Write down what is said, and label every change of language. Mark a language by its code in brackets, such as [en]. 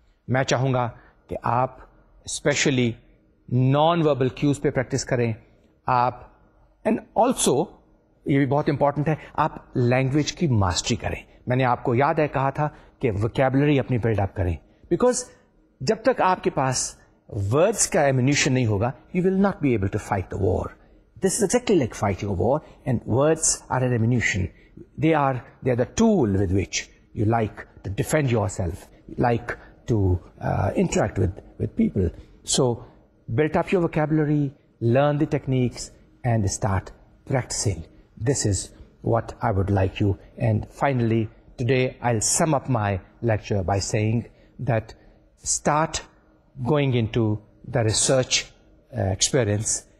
[ur] میں چاہوں گا کہ آپ اسپیشلی نان وربل کیوز پہ پریکٹس کریں آپ, [en] and also [ur] یہ بھی بہت امپورٹنٹ ہے, آپ لینگویج کی ماسٹری کریں. میں نے آپ کو یاد ہے کہا تھا کہ وکیبلری اپنی بلڈ اپ کریں, بیکاز جب تک آپ کے پاس ورڈس کا ایمونیشن نہیں ہوگا [en] You will not be able to fight the war. This is exactly like fighting a war and words are an ammunition. They are the tool with which you like to defend yourself, like to interact with people. So build up your vocabulary, learn the techniques and start practicing. This is what I would like you. And finally, today I'll sum up my lecture by saying that start going into the research experience